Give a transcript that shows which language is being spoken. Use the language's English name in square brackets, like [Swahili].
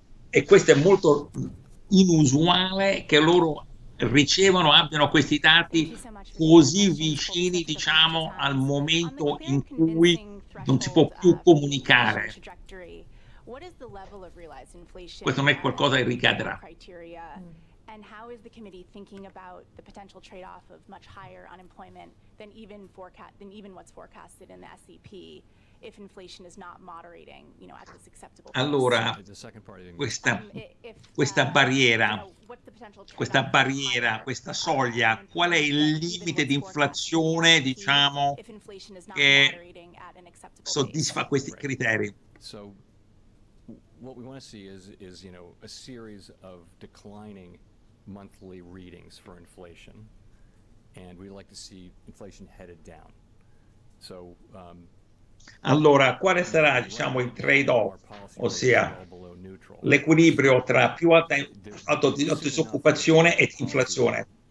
[Italian] E questo è molto inusuale che loro ricevano, abbiano questi dati così vicini, diciamo, al momento in cui non si può più comunicare. Questo non è qualcosa che ricadrà. [English] And how is the committee thinking about the potential trade-off of much higher unemployment than even forecast than even what's forecasted in the SEP if inflation is not moderating, you know, at this acceptable pace? [Italian] Allora, questa soglia, qual è il limite di inflazione, diciamo, che soddisfa questi criteri? [English] So what we want to see is you know, a series of declining monthly readings for inflation, and we like to see inflation headed down. So [Italian] allora quale sarà, diciamo, il trade-off, ossia l'equilibrio tra più alta disoccupazione e inflazione?